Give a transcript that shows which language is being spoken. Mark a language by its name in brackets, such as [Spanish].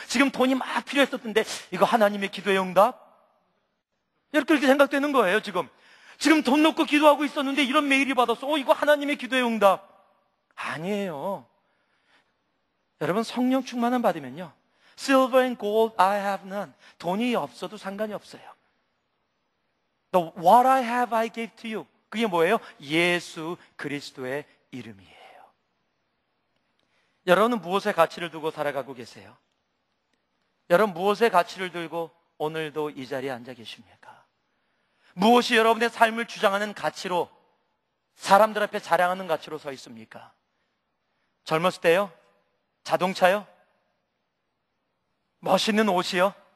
[Korean] 지금 돈이 막 필요했었는데 이거 하나님의 기도의 응답? 이렇게 생각되는 거예요. 지금 돈 놓고 기도하고 있었는데 이런 메일이 받았어. 이거 하나님의 기도의 응답? 아니에요. 여러분 성령 충만을 받으면요 [English] Silver and gold I have none. [Korean] 돈이 없어도 상관이 없어요. [English] The what I have I gave to you. [Korean] 그게 뭐예요? 예수 그리스도의 이름이에요. 여러분은 무엇의 가치를 두고 살아가고 계세요? 여러분 무엇의 가치를 들고 오늘도 이 자리에 앉아 계십니까? 무엇이 여러분의 삶을 주장하는 가치로 사람들 앞에 자랑하는 가치로 서 있습니까? 젊었을 때요? 자동차요? 멋있는 옷이요?